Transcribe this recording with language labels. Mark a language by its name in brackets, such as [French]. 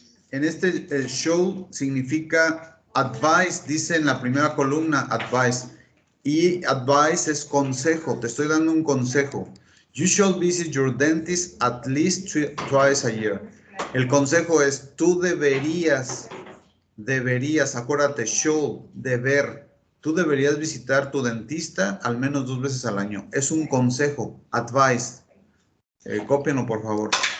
[Spanish] En este show significa advice, dice en la primera columna advice, y advice es consejo, te estoy dando un consejo. [English] You should visit your dentist at least twice a year. [Spanish] El consejo es, tú deberías, acuérdate, show, deber, tú deberías visitar tu dentista al menos 2 veces al año. Es un consejo, advice. Cópienlo, por favor.